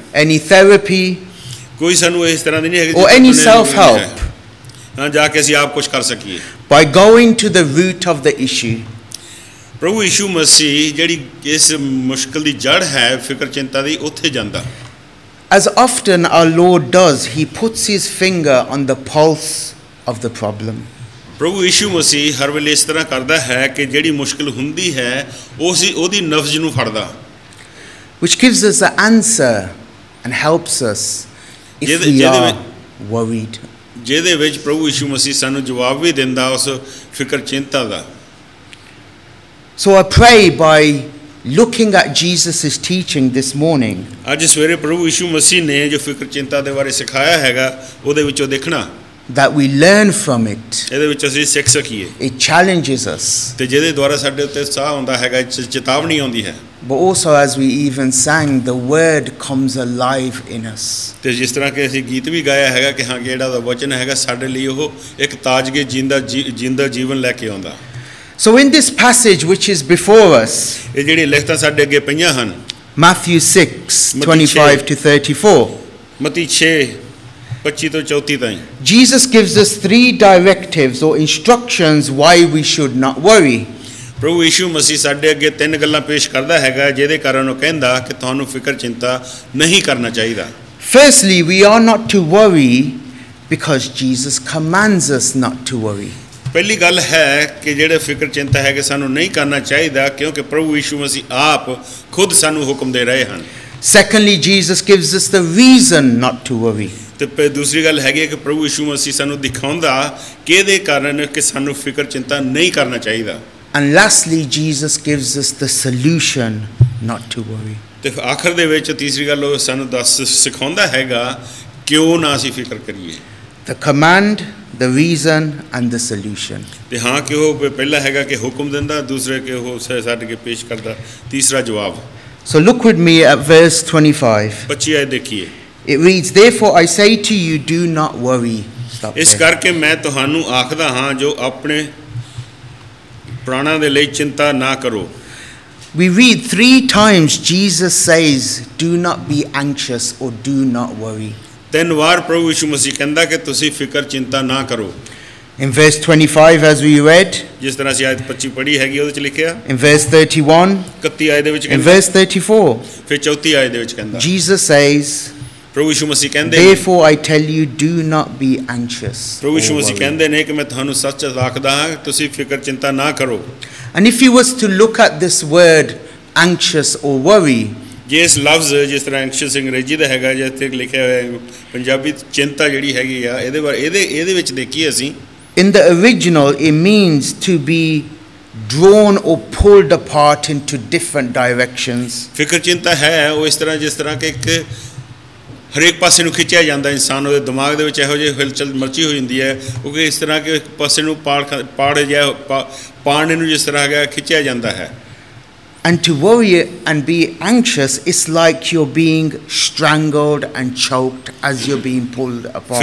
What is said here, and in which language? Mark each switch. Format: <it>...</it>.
<en>any therapy,</en> <pa>ਕੋਈ ਸਾਨੂੰ ਇਸ ਤਰ੍ਹਾਂ ਦੀ ਨਹੀਂ ਹੈਗੀ,</pa> <en>or any self help,</en> <pa>ਹਾਂ ਜਾ ਕੇ ਅਸੀਂ ਆਪ ਕੁਝ ਕਰ ਸਕੀਏ,</pa> <en>by going to the root of the issue,</en> <pa>ਪ੍ਰਭੂ ਯਿਸੂ ਮਸੀਹ ਜਿਹੜੀ ਇਸ ਮੁਸ਼ਕਲ ਦੀ ਜੜ ਹੈ ਫਿਕਰ ਚਿੰਤਾ ਦੀ, ਉੱਥੇ ਜਾਂਦਾ.</pa> <en>As often our Lord does, he puts his finger on the pulse of the problem.</en> <pa>ਪ੍ਰਭੂ ਯਿਸੂ ਮਸੀਹ ਹਰ ਵੇਲੇ ਇਸ ਤਰ੍ਹਾਂ ਕਰਦਾ ਹੈ ਕਿ ਜਿਹੜੀ ਮੁਸ਼ਕਲ ਹੁੰਦੀ ਹੈ ਉਹਦੀ ਨਫਜ਼ ਨੂੰ ਫੜਦਾ.</pa> <en>Which gives us the answer and helps us if we are worried.</en> <pa>ਜਿਹਦੇ ਵਿੱਚ ਪ੍ਰਭੂ ਯਿਸੂ ਮਸੀਹ ਸਾਨੂੰ ਜਵਾਬ ਵੀ ਦਿੰਦਾ ਉਸ ਫਿਕਰ ਚਿੰਤਾ ਦਾ.</pa> <en>So I pray by looking at Jesus's teaching this morning.</en> <pa>ਅੱਜ ਸਵੇਰੇ ਪ੍ਰਭੂ ਯਿਸੂ ਮਸੀਹ ਨੇ ਜੋ ਫਿਕਰ ਚਿੰਤਾ ਦੇ ਬਾਰੇ ਸਿਖਾਇਆ ਹੈਗਾ ਉਹਦੇ ਵਿੱਚੋਂ ਦੇਖਣਾ.</pa> <en>That we learn from it.</en> <pa>ਇਹਦੇ ਵਿੱਚ ਅਸੀਂ ਸਿੱਖ ਸਕੀਏ.</pa> <en>It challenges us.</en> <pa>ਤੇ ਜਿਹਦੇ ਦੁਆਰਾ ਸਾਡੇ ਉੱਤੇ ਸਾਹ ਆਉਂਦਾ ਹੈਗਾ, ਚੇਤਾਵਨੀ ਆਉਂਦੀ ਹੈ.</pa> <en>But also as we even sang, the word comes alive in us.</en> <pa>ਤੇ ਜਿਸ ਤਰ੍ਹਾਂ ਕਿ ਅਸੀਂ ਗੀਤ ਵੀ ਗਾਇਆ ਹੈਗਾ ਕਿ ਹਾਂ ਜਿਹੜਾ ਦਾ ਵਚਨ ਹੈਗਾ ਸਾਡੇ ਲਈ ਉਹ ਇੱਕ ਤਾਜਗੀ ਜਿੰਦਾ ਜੀਵਨ ਲੈ ਕੇ ਆਉਂਦਾ.</pa> <en>So in this passage which is before us,</en> <pa>ਇਹ ਜਿਹੜੀ ਲਿਖਤਾਂ ਸਾਡੇ ਅੱਗੇ ਪਈਆਂ ਹਨ,</pa> <en>Matthew 6:25-34,</en> <pa>Matthew 6:25-34 ਤਾਈਂ,</pa> <en>Jesus gives us three directives or instructions why we should not worry.</en> <pa>ਪ੍ਰਭੂ ਯਿਸੂ ਮਸੀਹ ਸਾਡੇ ਅੱਗੇ ਤਿੰਨ ਗੱਲਾਂ ਪੇਸ਼ ਕਰਦਾ ਹੈਗਾ ਜਿਹਦੇ ਕਾਰਨ ਉਹ ਕਹਿੰਦਾ ਕਿ ਤੁਹਾਨੂੰ ਫਿਕਰ ਚਿੰਤਾ ਨਹੀਂ ਕਰਨਾ ਚਾਹੀਦਾ.</pa> <en>Firstly, we are not to worry because Jesus commands us not to worry.</en> <pa>ਪਹਿਲੀ ਗੱਲ ਹੈ ਕਿ ਜਿਹੜੇ ਫਿਕਰ ਚਿੰਤਾ ਹੈ ਕਿ ਸਾਨੂੰ ਨਹੀਂ ਕਰਨਾ ਚਾਹੀਦਾ ਕਿਉਂਕਿ ਪ੍ਰਭੂ ਯਿਸੂ ਮਸੀਹ ਆਪ ਖੁਦ ਸਾਨੂੰ ਹੁਕਮ ਦੇ ਰਹੇ ਹਨ।</pa> <en>Secondly Jesus gives us the reason not to worry.</en> <pa>ਅਤੇ ਦੂਸਰੀ ਗੱਲ ਹੈਗੀ ਹੈ ਕਿ ਪ੍ਰਭੂ ਯਿਸੂ ਮਸੀਹ ਸਾਨੂੰ ਦਿਖਾਉਂਦਾ ਕਿਹਦੇ ਕਾਰਨ ਕਿ ਸਾਨੂੰ ਫਿਕਰ ਚਿੰਤਾ ਨਹੀਂ ਕਰਨਾ ਚਾਹੀਦਾ।</pa> <en>And lastly Jesus gives us the solution not to worry.</en> <pa>ਅਤੇ ਆਖਰ ਦੇ ਵਿੱਚ ਤੀਸਰੀ ਗੱਲ ਉਹ ਸਾਨੂੰ ਦੱਸ ਸਿਖਾਉਂਦਾ ਹੈਗਾ ਕਿਉਂ ਨਾ ਅਸੀਂ ਫਿਕਰ ਕਰੀਏ।</pa> <en>The command, the reason and the solution.</en> <pa>ਅਤੇ ਹਾਂ ਕਿ ਉਹ ਪਹਿਲਾ ਹੈਗਾ ਕਿ ਹੁਕਮ ਦਿੰਦਾ, ਦੂਸਰੇ ਕਿ ਉਹ ਸਾਡੇ ਅੱਗੇ ਪੇਸ਼ ਕਰਦਾ, ਤੀਸਰਾ ਜਵਾਬ।</pa> <en>So look with me at verse 25।</en> <pa>ਬੱਚੀ ਆਏ ਦੇਖੀਏ।</pa> <en>It reads, therefore I say to you, do not worry.</en> <pa>ਇਸ ਕਰਕੇ ਮੈਂ ਤੁਹਾਨੂੰ ਆਖਦਾ ਹਾਂ ਜੋ ਆਪਣੇ ਪ੍ਰਾਣਾਂ ਦੇ ਲਈ ਚਿੰਤਾ ਨਾ ਕਰੋ।</pa> <en>We read three times Jesus says, do not be anxious or do not worry.</en> <pa>ਤਿੰਨ ਵਾਰ ਪ੍ਰਭੂ ਯਿਸੂ ਮਸੀਹ ਕਹਿੰਦਾ ਕਿ ਤੁਸੀਂ ਫਿਕਰ ਚਿੰਤਾ ਨਾ ਕਰੋ।</pa> <en>In verse 25 as we read,</en> <pa>ਜਿਸ ਤਰ੍ਹਾਂ ਅਸੀਂ ਆਇਤ 25 ਪੜ੍ਹੀ ਹੈਗੀ ਉਹਦੇ ਵਿੱਚ ਲਿਖਿਆ।</pa> <en>In verse 31,</en> <pa>31 ਆਇਤ ਦੇ ਵਿੱਚ ਕਹਿੰਦਾ।</pa> <en>In verse 34,</en> <pa>ਫਿਰ 34 ਆਇਤ ਦੇ ਵਿੱਚ ਕਹਿੰਦਾ।</pa> <en>Jesus says,</en> <pa>ਪ੍ਰਭੂ ਯਿਸੂ ਮਸੀਹ ਕਹਿੰਦੇ,</pa> <en>therefore I tell you, do not be anxious.</en> <pa>ਪ੍ਰਭੂ ਯਿਸੂ ਮਸੀਹ ਕਹਿੰਦੇ ਨੇ ਕਿ ਮੈਂ ਤੁਹਾਨੂੰ ਸੱਚ ਆਖਦਾ ਹਾਂ ਤੁਸੀਂ ਫਿਕਰ ਚਿੰਤਾ ਨਾ ਕਰੋ।</pa> <en>And if you was to look at this word anxious or worry,</en> <pa>ਜਿਸ ਲਫ਼ਜ਼ ਜਿਸ ਤਰ੍ਹਾਂ ਐਂਕਸ਼ੀਅਸ ਅੰਗਰੇਜ਼ੀ ਦਾ ਹੈਗਾ ਜਾਂ ਇੱਥੇ ਲਿਖਿਆ ਹੋਇਆ ਪੰਜਾਬੀ, ਚਿੰਤਾ ਜਿਹੜੀ ਹੈਗੀ ਆ ਇਹਦੇ ਬਾਰੇ ਇਹਦੇ ਵਿੱਚ ਦੇਖੀਏ ਅਸੀਂ।</pa> <en>In the original it means to be drawn or pulled apart in two different directions.</en> <pa>ਫਿਕਰ ਚਿੰਤਾ ਹੈ ਉਹ ਇਸ ਤਰ੍ਹਾਂ ਜਿਸ ਤਰ੍ਹਾਂ ਕਿ ਇੱਕ ਹਰੇਕ ਪਾਸੇ ਨੂੰ ਖਿੱਚਿਆ ਜਾਂਦਾ, ਇਨਸਾਨ ਉਹਦੇ ਦਿਮਾਗ ਦੇ ਵਿੱਚ ਇਹੋ ਜਿਹੇ ਹਿਲਚਲ ਮਰਚੀ ਹੋ ਜਾਂਦੀ ਹੈ ਉਹ ਕਿ ਇਸ ਤਰ੍ਹਾਂ ਕਿ ਇੱਕ ਪਾਸੇ ਨੂੰ ਪਾੜੇ ਨੂੰ ਜਿਸ ਤਰ੍ਹਾਂ ਹੈਗਾ ਖਿੱਚਿਆ ਜਾਂਦਾ ਹੈ।</pa> <en>And to worry and be anxious is like you're being strangled and choked as you're being pulled apart.</en>